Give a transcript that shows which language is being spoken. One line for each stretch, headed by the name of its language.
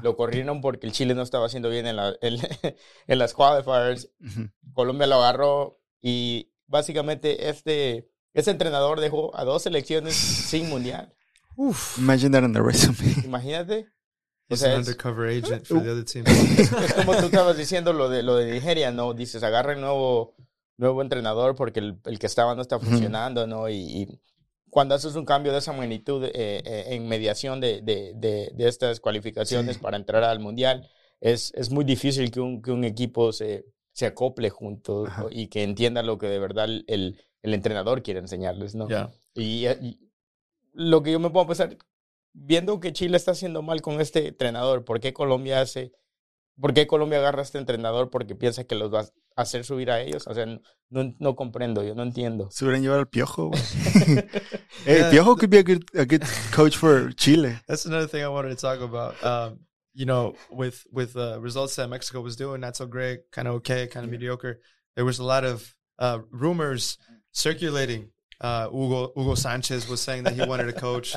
Spanish: Lo corrieron porque el Chile no estaba haciendo bien en las qualifiers. Uh-huh. Colombia lo agarró. Y básicamente ese entrenador dejó a dos selecciones sin mundial.
English: Oof. Imagine that on the resume.
Spanish: Imagínate.
English: He's an undercover agent for the other team.
Spanish: Es como tú estabas diciendo lo de Nigeria, ¿no? Dices, agarra el nuevo entrenador porque el que estaba no está funcionando, ¿no? Y cuando haces un cambio de esa magnitud en mediación de estas cualificaciones para entrar al Mundial, es muy difícil que un equipo se acople junto y que entienda lo que de verdad el entrenador quiere enseñarles, ¿no?
English: Yeah.
Spanish: Y lo que yo me puedo pensar, viendo que Chile está haciendo mal con este entrenador, ¿por qué Colombia agarra a este entrenador? Porque piensa que los va a hacer subir a ellos. O sea, no comprendo, yo no entiendo. Se hubieran llevado al Piojo.
English: Hey, yeah, Piojo could be a good coach for Chile. That's another thing I wanted to talk about. You know, with the results that Mexico was doing, not so great, kind of okay, kind of mediocre. There was a lot of rumors circulating. Hugo Sanchez was saying that he wanted a coach.